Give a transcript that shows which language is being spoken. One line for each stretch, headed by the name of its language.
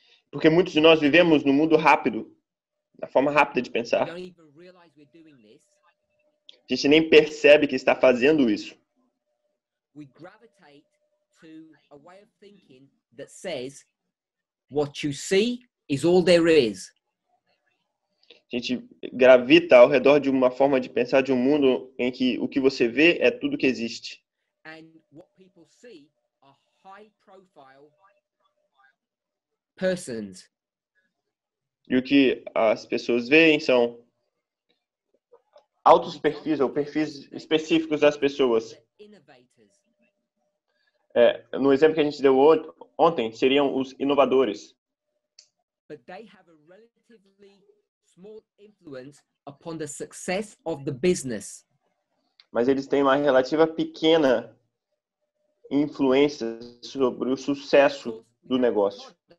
Portuguese: Porque muitos de nós vivemos no mundo rápido, na forma rápida de pensar. A gente nem percebe que está fazendo isso.
English: We gravitate to a way of thinking that says what you see is all there is.
Portuguese: A gente gravita ao redor de uma forma de pensar de um mundo em que o que você vê é tudo que existe.
English: And what people see are high profile persons.
Portuguese: E o que as pessoas veem são altos perfis ou perfis específicos das pessoas.
English: Innovators.
Portuguese: No exemplo que a gente deu ontem, seriam os inovadores.
English: But they have a relatively small influence upon the success of the business.
Portuguese: Mas eles têm uma relativa pequena influência sobre o sucesso do negócio.